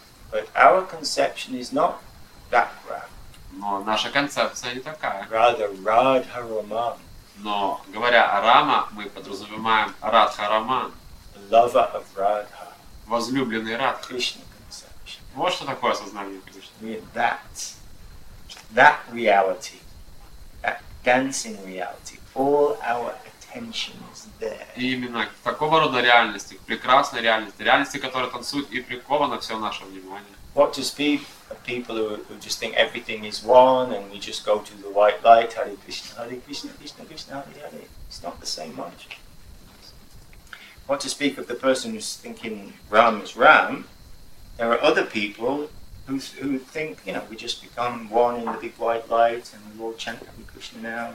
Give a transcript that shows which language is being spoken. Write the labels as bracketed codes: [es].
[en] But our conception is not that [ru] Но наша концепция не такая. [en] Rather, Radha Raman. [ru] Но говоря о Рама, мы подразумеваем Радха Раман. [en] Lover of Radha. [ru] Возлюбленный Радха. [en] Krishna conception. [ru] Вот что такое сознание Кришны. [en] That reality, that dancing reality, all our attention is there. [ru] И именно к такого рода реальности, к прекрасной реальности, реальности, которая танцует и приковано все наше внимание. [en] What to speak of people who just think everything is one and we just go to the white light, Hare Krishna, Hare Krishna, Krishna Krishna, Hare Hare. It's not the same much. What to speak of the person who's thinking Ram is Ram, there are other people who think, you know, we just become one in the big white light and we all chant Hare Krishna now.